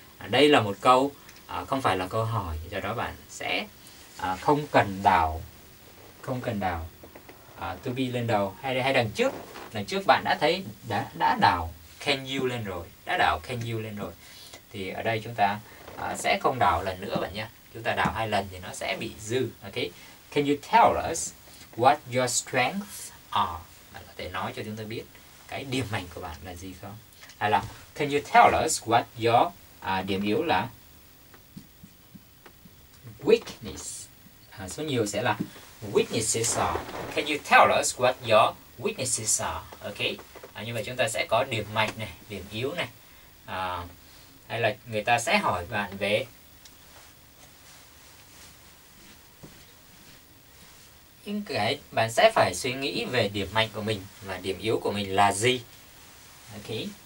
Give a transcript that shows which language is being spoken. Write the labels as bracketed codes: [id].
[vi] Đây là một câu, không phải là câu hỏi, do đó bạn sẽ không cần đào to be lên đầu hay đằng trước bạn đã thấy đã đào can you lên rồi, đã đào can you lên rồi, thì ở đây chúng ta sẽ không đào lần nữa bạn nhé. Chúng ta đào hai lần thì nó sẽ bị dư. Okay. [en] Can you tell us what your strengths are? [vi] Bạn có thể nói cho chúng ta biết cái điểm mạnh của bạn là gì không? Hay là [en] can you tell us what your [vi] điểm yếu là [en] weakness? [vi] Số nhiều sẽ là weaknesses are. [en] Can you tell us what your weaknesses are? Okay. [vi] Như vậy chúng ta sẽ có điểm mạnh này, điểm yếu này. Hay là người ta sẽ hỏi bạn về những cái bạn sẽ phải suy nghĩ về điểm mạnh của mình và điểm yếu của mình là gì. Ok.